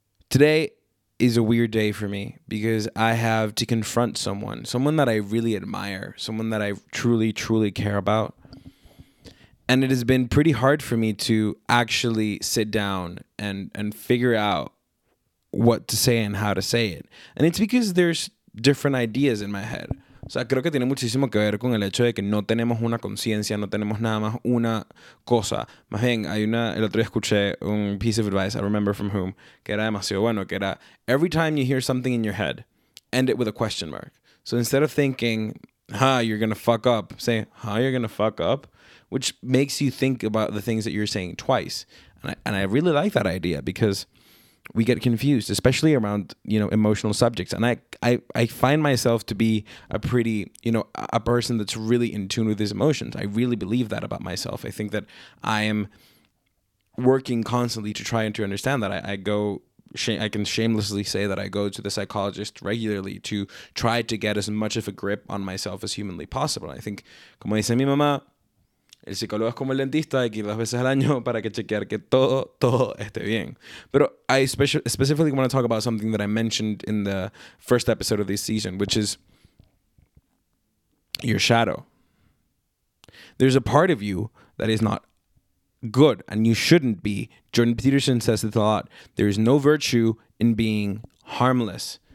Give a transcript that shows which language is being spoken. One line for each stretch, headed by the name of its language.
English: Today is a weird day for me because I have to confront someone that I really admire, someone that I truly, truly care about. And it has been pretty hard for me to actually sit down and figure out what to say and how to say it. And it's because there's different ideas in my head.
Spanish: O sea, creo que tiene muchísimo que ver con el hecho de que no tenemos una conciencia, no tenemos nada más una cosa. Más bien, hay una, el otro día escuché un
English: piece of advice, I remember from whom,
Spanish: que era demasiado bueno, que era,
English: every time you hear something in your head, end it with a question mark. So instead of thinking, ha, you're gonna fuck up, say, ha, you're gonna fuck up, which makes you think about the things that you're saying twice. And I really like that idea because we get confused, especially around, you know, emotional subjects. And I find myself to be a pretty, you know, a person that's really in tune with his emotions. I really believe that about myself. I think that I am working constantly to try and to understand that. I can shamelessly say that I go to the psychologist regularly to try to get as much of a grip on myself as humanly possible. I think,
Spanish: como dice mi mamá, el psicólogo es como el dentista, hay que ir dos veces al año para que chequear que todo esté bien.
English: But I specifically want to talk about something that I mentioned in the first episode of this season, which is your shadow. There's a part of you that is not good, and you shouldn't be. Jordan Peterson says this a lot. There is no virtue in being harmless.